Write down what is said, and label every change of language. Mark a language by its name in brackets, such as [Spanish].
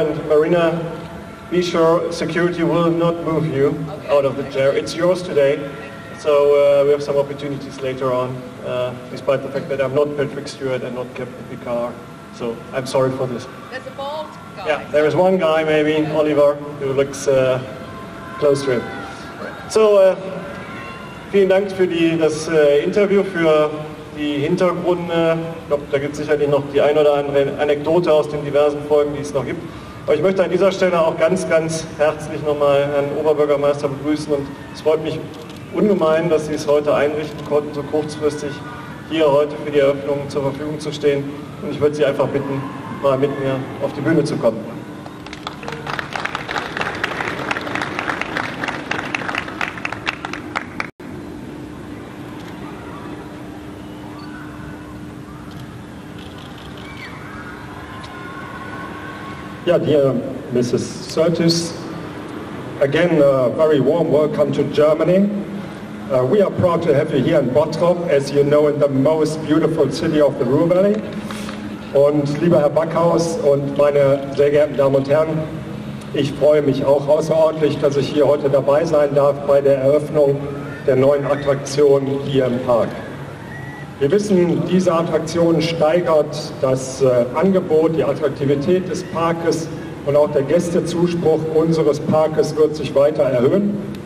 [English] And Marina, be sure security will not move you out of the chair. It's yours today, so we have some opportunities later on, despite the fact that I'm not Patrick Stewart and not Captain Picard. So I'm sorry for this. There's a bald guy. Yeah, there is one guy maybe, Oliver, who looks close to him. [German] So vielen Dank für das Interview, für die Hintergründe, ich glaube, da gibt es sicherlich noch die ein oder andere Anekdote aus den diversen Folgen, die es noch gibt. Aber ich möchte an dieser Stelle auch ganz, ganz herzlich nochmal Herrn Oberbürgermeister begrüßen. Und es freut mich ungemein, dass Sie es heute einrichten konnten, so kurzfristig hier heute für die Eröffnung zur Verfügung zu stehen. Und ich würde Sie einfach bitten, mal mit mir auf die Bühne zu kommen. [English] Yeah, dear Mrs. Surtees, again, a very warm welcome to Germany. We are proud to have you here in Bottrop, as you know, in the most beautiful city of the Ruhr Valley. [German] Und lieber Herr Backhaus und meine sehr geehrten Damen und Herren, ich freue mich auch außerordentlich, dass ich hier heute dabei sein darf bei der Eröffnung der neuen Attraktion hier im Park. Wir wissen, diese Attraktion steigert das Angebot, die Attraktivität des Parkes und auch der Gästezuspruch unseres Parkes wird sich weiter erhöhen.